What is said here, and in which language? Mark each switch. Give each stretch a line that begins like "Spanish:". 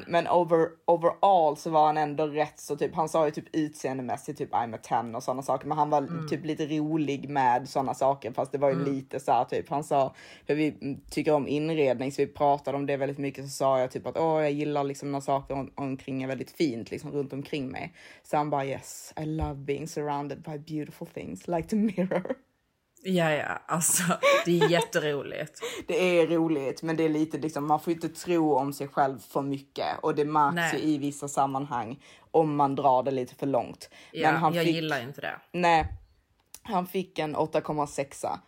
Swedish: Men overall så var han ändå rätt så typ, han sa ju typ utseendemässigt typ
English: I'm a 10
Swedish: och såna saker. Men han var typ lite rolig med såna saker, fast det var ju lite så här typ, han sa, för vi tycker om inredning, så vi pratade om det väldigt mycket, så sa jag typ att jag gillar liksom några saker omkring, är väldigt fint liksom runt omkring mig. Så han bara,
English: yes, I love being surrounded by beautiful things, like the mirror.
Swedish: Ja, ja, alltså det är jätteroligt. Det är roligt, men det är lite liksom, man får inte tro om sig själv för mycket. Och det märks ju i vissa sammanhang om man drar det lite för långt. Ja, men han gillar inte det. Nej, han fick en 8,6.